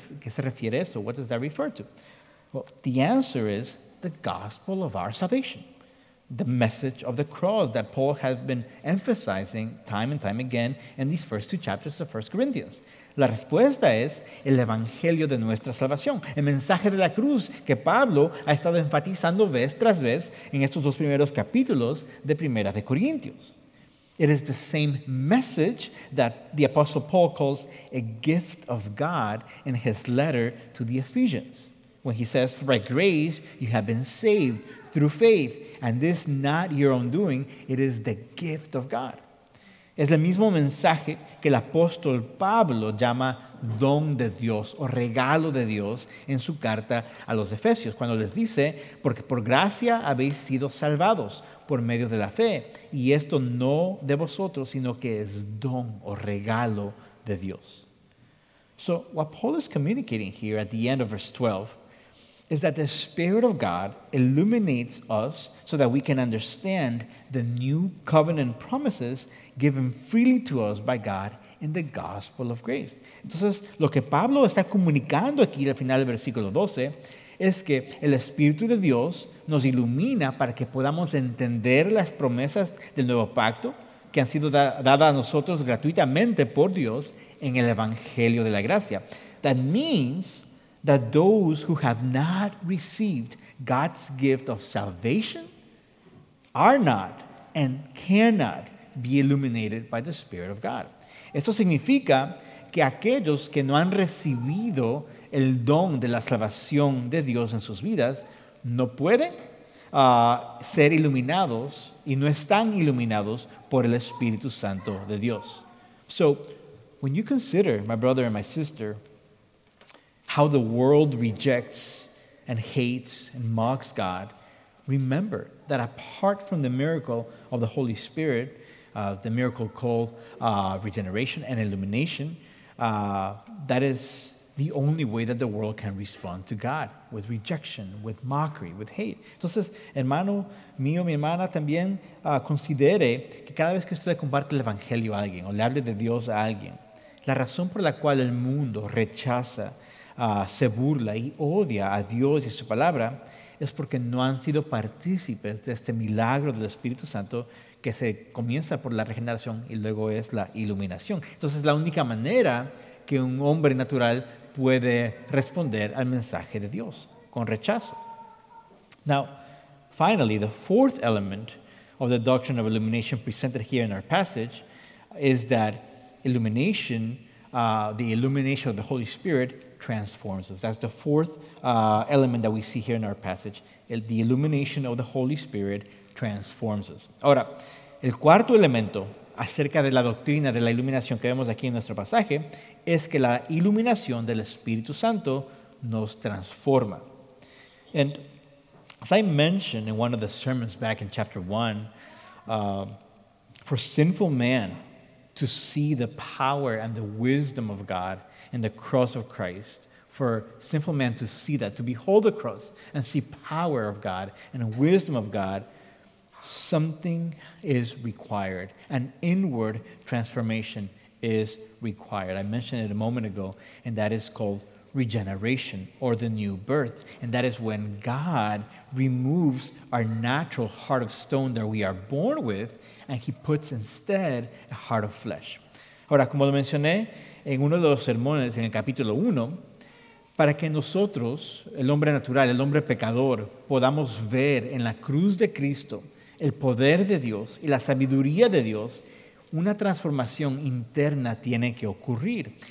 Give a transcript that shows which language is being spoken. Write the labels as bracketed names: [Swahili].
[Spanish] ¿Qué se refiere a eso? [English] What does that refer to? Well, the answer is the gospel of our salvation, the message of the cross that Paul has been emphasizing time and time again in these first two chapters of 1 Corinthians. [Spanish] La respuesta es el evangelio de nuestra salvación, el mensaje de la cruz que Pablo ha estado enfatizando vez tras vez en estos dos primeros capítulos de Primera de Corintios. [English] It is the same message that the Apostle Paul calls a gift of God in his letter to the Ephesians, when he says, for by grace you have been saved through faith, and this is not your own doing, it is the gift of God. [Spanish] Es el mismo mensaje que el apóstol Pablo llama don de Dios o regalo de Dios en su carta a los Efesios, cuando les dice, porque por gracia habéis sido salvados por medio de la fe, y esto no de vosotros, sino que es don o regalo de Dios. [English] So, what Paul is communicating here at the end of verse 12 is that the Spirit of God illuminates us so that we can understand the new covenant promises given freely to us by God in the gospel of grace. [Spanish] Entonces, lo que Pablo está comunicando aquí al final del versículo 12 es que el Espíritu de Dios nos ilumina para que podamos entender las promesas del nuevo pacto que han sido dadas a nosotros gratuitamente por Dios en el Evangelio de la Gracia. [English] That means that those who have not received God's gift of salvation are not and cannot be illuminated by the Spirit of God. [Spanish] Esto significa que aquellos que no han recibido el don de la salvación de Dios en sus vidas no pueden ser iluminados y no están iluminados por el Espíritu Santo de Dios. So, when you consider, my brother and my sister, how the world rejects and hates and mocks God, remember that apart from the miracle of the Holy Spirit, the miracle called regeneration and illumination, that is the only way that the world can respond to God, with rejection, with mockery, with hate. Entonces, hermano mío, mi hermana, también considere que cada vez que usted le comparte el evangelio a alguien o le hable de Dios a alguien, la razón por la cual el mundo rechaza, se burla y odia a Dios y su palabra es porque no han sido partícipes de este milagro del Espíritu Santo que se comienza por la regeneración y luego es la iluminación. Entonces, la única manera que un hombre natural puede responder al mensaje de Dios, con rechazo. [English] Now, finally, the fourth element of the doctrine of illumination presented here in our passage is that illumination, the illumination of the Holy Spirit transforms us. That's the fourth element that we see here in our passage. The illumination of the Holy Spirit transforms us. [Spanish] Ahora, el cuarto elemento acerca de la doctrina de la iluminación que vemos aquí en nuestro pasaje es que la iluminación del Espíritu Santo nos transforma. [English] And as I mentioned in one of the sermons back in chapter 1, for sinful man to see the power and the wisdom of God in the cross of Christ, for sinful man to see that, to behold the cross and see power of God and wisdom of God, something is required. An inward transformation is required. I mentioned it a moment ago, and that is called regeneration or the new birth. And that is when God removes our natural heart of stone that we are born with, and he puts instead a heart of flesh. [Spanish] Ahora, como lo mencioné en uno de los sermones en el capítulo 1, para que nosotros, el hombre natural, el hombre pecador, podamos ver en la cruz de Cristo el poder de Dios y la sabiduría de Dios, una transformación interna tiene que ocurrir.